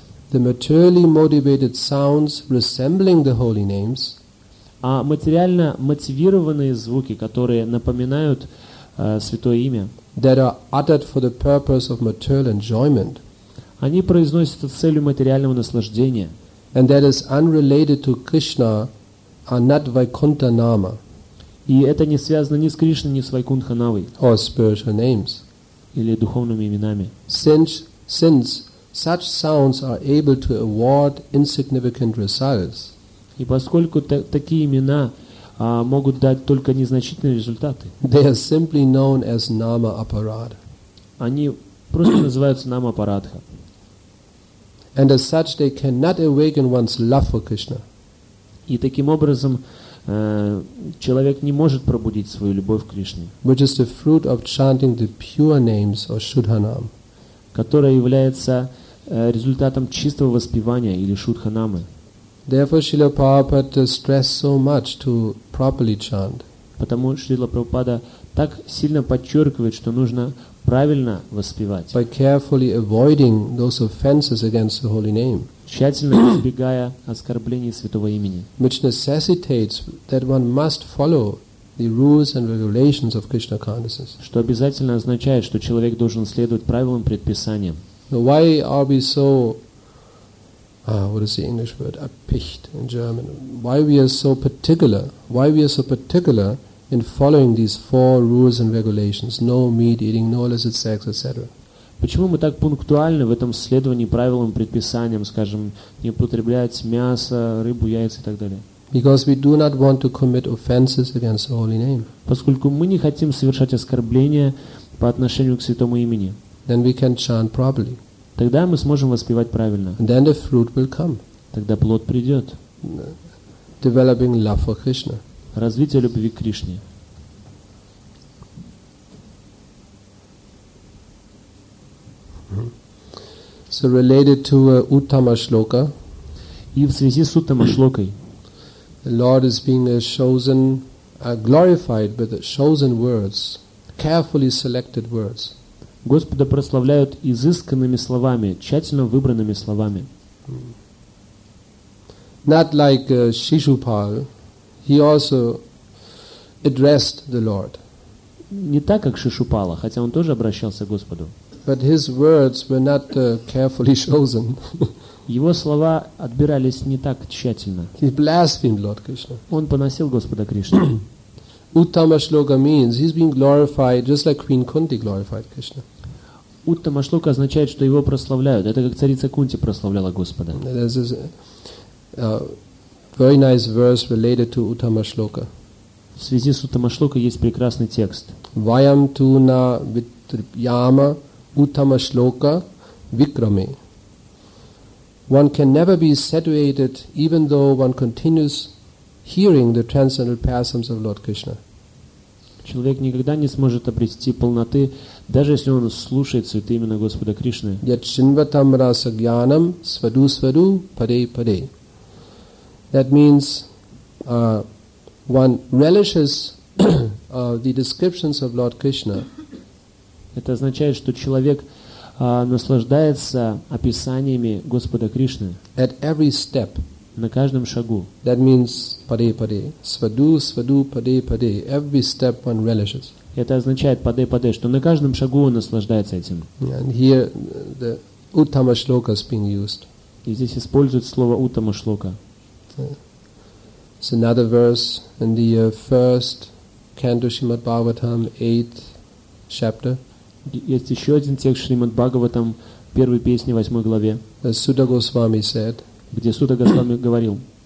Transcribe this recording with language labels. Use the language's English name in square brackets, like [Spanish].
[English] The materially motivated sounds resembling the holy names, [Russian] а материально мотивированные звуки, которые напоминают святое имя, [English] that are uttered for the purpose of material enjoyment, [Russian] они произносятся с целью материального наслаждения, [English] and that is unrelated to Krishna, are not Vaikuntha nama, [Russian] и это не связано ни с Кришной, ни с Вайкунтха Навой, [English] or spiritual names, [Russian] или духовными именами. [English] Since such sounds are able to award insignificant results, [Russian] и поскольку такие имена могут дать только незначительные результаты, [English] they are simply known as nama aparad, [Russian] они просто называются nama aparadha, [English] and as such they cannot awaken one's love for Krishna, [Russian] и таким образом человек не может пробудить свою любовь к Кришне, [English] which is the fruit of chanting the pure names or shuddha nam, [Russian] которая является результатом чистого воспевания или шудха намы. [English] Therefore, Srila Prabhupada stressed so much to properly chant. [Russian] Потому что Шрила Прабхупада так сильно подчеркивает, что нужно правильно воспевать. [English] By carefully avoiding those offenses against the holy name. [Russian] Тщательно избегая оскорблений святого имени. [English] Which necessitates that one must follow the rules and regulations of Krishna consciousness. [Russian] Что обязательно означает, что человек должен следовать правилам и предписаниям. [English] Why are we so what is the English word? Erpicht in German. Why we are so particular in following these four rules and regulations? No meat eating, no illicit sex, etc. [Russian] Почему мы так пунктуальны в этом следовании правилам и предписаниям, скажем, не употреблять мясо, рыбу, яйца и так далее? [English] Because we do not want to commit offenses against the holy name. [Russian] Поскольку мы не хотим совершать оскорбления по отношению к святому имени. [English] Then we can chant properly. [Russian] Тогда мы сможем воспевать правильно. [English] And then the fruit will come. [Russian] Тогда плод придет. [English] Developing love for Krishna. [Russian] Развитие любви к Кришне. [English] So related to Uttama Shloka. [Russian] И в связи с Uttama Shlokai. [English] The Lord is being chosen, glorified with chosen words, carefully selected words. [Russian] Господа прославляют изысканными словами, тщательно выбранными словами. [English] Not like Shishupal, he also addressed the Lord. [Russian] Не так как Шишупала, хотя он тоже обращался к Господу. [English] But his words were not carefully chosen. [Russian] Его слова отбирались не так тщательно. [English] He blasphemed Lord Krishna. [Russian] Он поносил Господа Кришну. [English] Uttama Shloka means he's being glorified just like Queen Kunti glorified Krishna. [Russian] Уттама Шлока означает, что его прославляют. Это как царица Кунти прославляла Господа. [English] This is a very nice verse related to Uttama Shloka. [Russian] В связи с Уттама Шлока есть прекрасный текст. [Sanskrit] Vayam tu na vidyama Uttama Shloka Vikrame. [English] One can never be satiated even though one continues hearing the transcendental pastimes of Lord Krishna. [Russian] Человек никогда не сможет обрести полноты, даже если он слушает святые имена Господа Кришны. [Sanskrit] Yet chinvatam rasa gyanam svadu svadu pade pade. [English] That means one relishes the descriptions of Lord Krishna. [Russian] Это означает, что человек наслаждается описаниями Господа Кришны. [English] At every step. [Russian] На каждом шагу. [English] That means [Sanskrit] pade pade, svadu svadu pade pade. [English] Every step one relishes. [Russian] Это означает [Sanskrit] pade pade, [Russian] что на каждом шагу он наслаждается этим. [English] And here the Uttama Shloka is being used. [Russian] И здесь используется слово Uttama Shloka. [English] It's another verse in the first canto Shrimad Bhagavatam, 8th chapter. [Russian] Есть еще один текст Шримад Бхагаватам, первой песни, 8 главе. [English] Suda Goswami said. [Russian] Где Суда Госвами говорил,